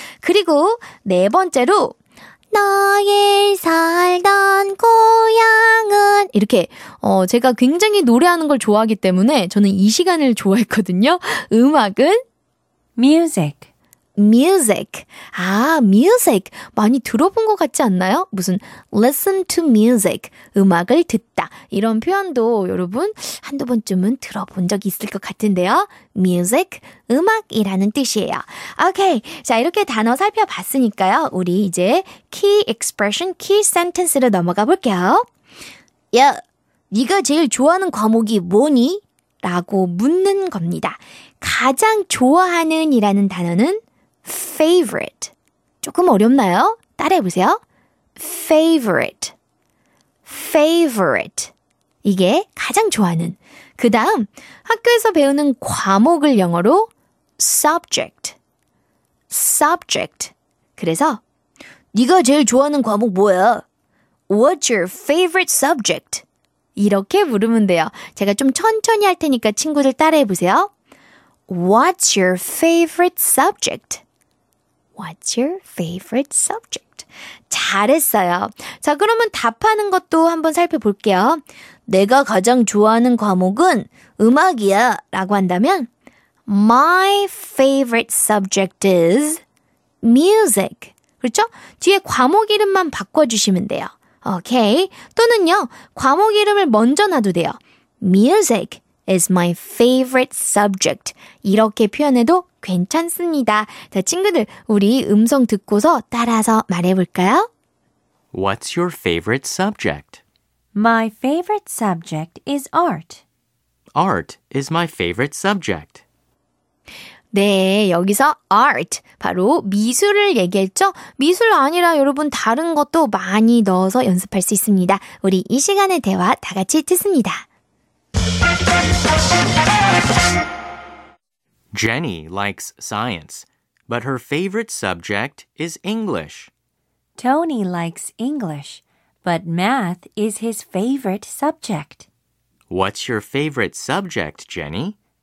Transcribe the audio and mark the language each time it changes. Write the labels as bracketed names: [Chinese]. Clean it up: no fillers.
[Korean] 그리고 네 번째로 너의 살던 고향은 이렇게 제가 굉장히 노래하는 걸 좋아하기 때문에 저는 이 시간을 좋아했거든요. 음악은 [English] Music. Music. 아, music. [Korean] 많이 들어본 것 같지 않나요? 무슨 listen to music. 음악을 듣다. 이런 표현도 여러분 한두 번쯤은 들어본 적이 있을 것 같은데요. Music, 음악이라는 뜻이에요. Okay, 자, 이렇게 단어 살펴봤으니까요. 우리 이제 key expression, key sentence로 넘어가 볼게요. 야, 네가 제일 좋아하는 과목이 뭐니? 라고 묻는 겁니다. 가장 좋아하는 이라는 단어는 favorite. 조금 어렵나요? 따라해보세요. favorite. favorite. 이게 가장 좋아하는. 그 다음, 학교에서 배우는 과목을 영어로 subject. subject. 그래서, 네가 제일 좋아하는 과목 뭐야? [English] What's your favorite subject? [Korean] 이렇게 물으면 돼요. 제가 좀 천천히 할 테니까 친구들 따라해보세요. [English] What's your favorite subject? What's your favorite subject? [Korean] 잘했어요. 자, 그러면 답하는 것도 한번 살펴볼게요. 내가 가장 좋아하는 과목은 음악이야 라고 한다면 [English] My favorite subject is music. [Korean] 그렇죠? 뒤에 과목 이름만 바꿔주시면 돼요. [English] Okay. [Korean] 또는요, 과목 이름을 먼저 놔도 돼요. [English] Music is my favorite subject. [Korean] 이렇게 표현해도 괜찮습니다. [English] 자, 친구들, 우리 음성 듣고서 따라서 말해볼까요? What's your favorite subject? My favorite subject is art. Art is my favorite subject. [Korean] 네, 여기서 art, 바로 미술을 얘기했죠? 미술 아니라 여러분 다른 것도 많이 넣어서 연습할 수 있습니다. 우리 이 시간의 대화 다 같이 듣습니다. [English] Jenny likes science, but her favorite subject is English. Tony likes English, but math is his favorite subject. What's your favorite subject, Jenny?